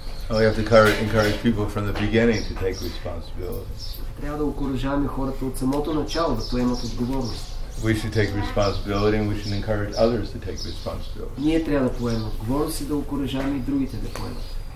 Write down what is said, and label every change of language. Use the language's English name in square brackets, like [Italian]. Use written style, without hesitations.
[English] Oh, we have to encourage people from the beginning to take responsibility. [Bulgarian] Трябва да окуражаваме хората от самото начало да поемат отговорност. [English] We should take responsibility and we should encourage others to take responsibility. [Bulgarian] Ние трябва да поемем отговорност и да окуражаваме и другите да поемат.